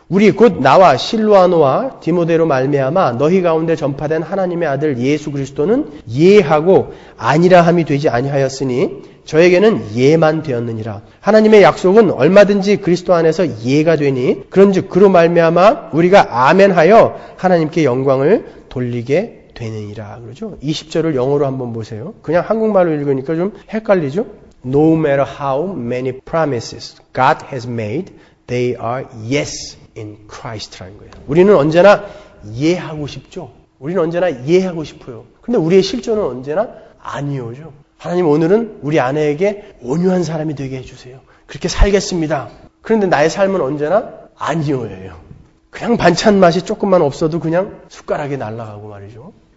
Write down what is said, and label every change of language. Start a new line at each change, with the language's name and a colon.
Korean: 우리 곧 나와 실루아노와 디모데로 말미암아 너희 가운데 전파된 하나님의 아들 예수 그리스도는 예하고 아니라 함이 되지 아니하였으니 저에게는 예만 되었느니라. 하나님의 약속은 얼마든지 그리스도 안에서 예가 되니 그런즉 그로 말미암아 우리가 아멘하여 하나님께 영광을 돌리게 되느니라. 그러죠? 20절을 영어로 한번 보세요. 그냥 한국말로 읽으니까 좀 헷갈리죠?
English: No matter how many promises God has made, they are yes in Christ
Korean: 라는 거예요. 우리는 언제나 예하고 싶죠. 우리는 언제나 예하고 싶어요. 근데 우리의 실존은 언제나 아니오죠. 하나님 오늘은 우리 아내에게 온유한 사람이 되게 해주세요. 그렇게 살겠습니다. 그런데 나의 삶은 언제나 아니오예요. 그냥 반찬 맛이 조금만 없어도 그냥 숟가락이 날아가고 말이죠.